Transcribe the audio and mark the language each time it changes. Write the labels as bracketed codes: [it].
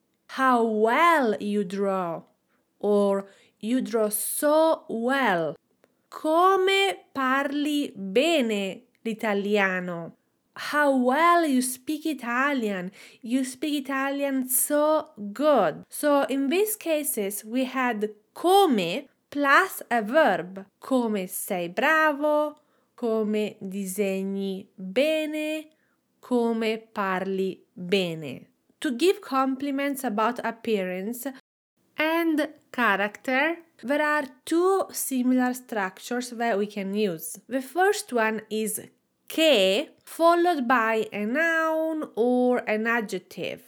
[en] How well you draw. Or you draw so well. [it] Come parli bene l'italiano. [en] How well you speak Italian. You speak Italian so good. So in these cases we had come plus a verb. [it] Come sei bravo, come disegni bene, come parli bene. [en] To give compliments about appearance and character, there are two similar structures that we can use. The first one is che, followed by a noun or an adjective.